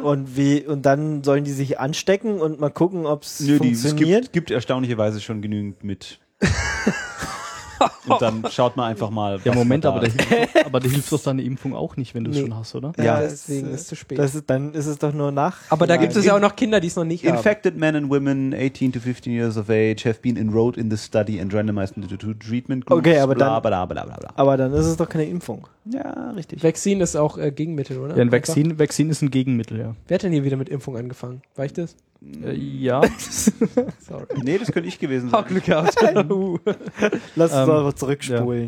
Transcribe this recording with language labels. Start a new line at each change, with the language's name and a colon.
German: Und dann sollen die sich anstecken und mal gucken, ob es funktioniert. Es gibt erstaunlicherweise schon genügend mit. Und dann schaut man einfach mal. Ja, Moment, aber da hilft doch deine Impfung auch nicht, wenn du es schon hast, oder? Ja, deswegen ist es zu spät. Dann ist es doch nur nach. Aber da gibt es ja auch noch Kinder, die es noch nicht haben.
English: Infected men and women 18 to 15 years of age have been enrolled in the study and randomized into two treatment groups.
German: Okay, aber dann ist es doch keine Impfung. Ja, richtig. Vaccine ist auch Gegenmittel, oder? Ja, Vaccine ist ein Gegenmittel, ja. Wer hat denn hier wieder mit Impfung angefangen? War ich das? Ja. Sorry. Nee, das könnte ich gewesen sein. Oh, Glück gehabt. Lass uns einfach zurückspulen.